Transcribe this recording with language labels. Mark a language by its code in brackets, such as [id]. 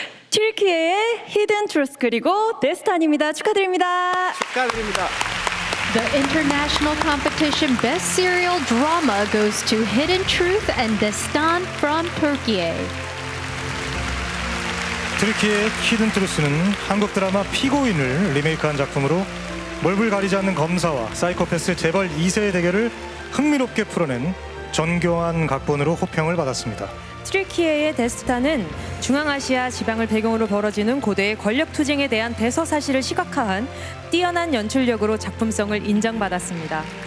[ko] 튀르키예의 히든 트루스 그리고 데스탄입니다. 축하드립니다. 축하드립니다. [en] The International Competition Best Serial Drama goes to Hidden Truth and Destan from Turkey. [ko] 튀르키예의 히든 트루스는 한국 드라마 피고인을 리메이크한 작품으로 멀불 가리지 않는 검사와 사이코패스 재벌 2세의 대결을 흥미롭게 풀어낸 정교한 각본으로 호평을 받았습니다. 튀르키예의 데스탄은 중앙아시아 지방을 배경으로 벌어지는 고대의 권력 투쟁에 대한 대서사시를 시각화한 뛰어난 연출력으로 작품성을 인정받았습니다.